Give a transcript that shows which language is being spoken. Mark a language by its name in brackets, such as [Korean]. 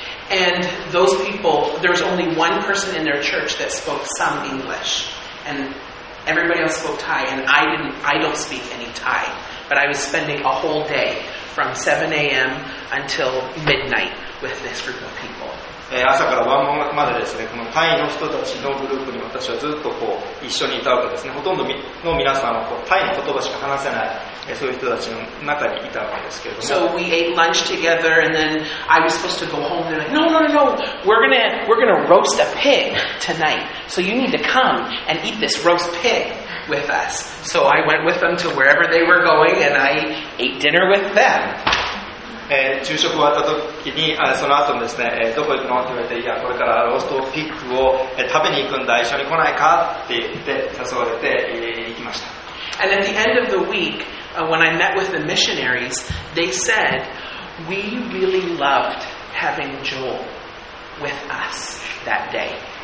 [English] And those people, there was only one person in their church that spoke some English. And everybody else spoke Thai, and I don't speak any Thai. But I was spending a whole day from 7 a.m. until midnight with this group of people. [Japanese] 朝から晩までですね、このタイの人たちのグループに私はずっとこう一緒にいたわけですね。ほとんどの皆さんはこうタイの言葉しか話せない、そういう人たちの中にいたわけですけれども。 [English] So we ate lunch together and then I was supposed to go home. They're like, no, we're gonna roast a pig tonight. So you need to come and eat this roast pig with us. So I went with them to wherever they were going and I ate dinner with them. [Japanese] 昼食終わった時にその後ですね、どこ行くのって言われて、いやこれからローストピックを食べに行くんだ、一緒に来ないかって言って誘われて、行きました。 [English] And at the end of the week, when I met with the missionaries, they said, we really loved having Joel with us that day.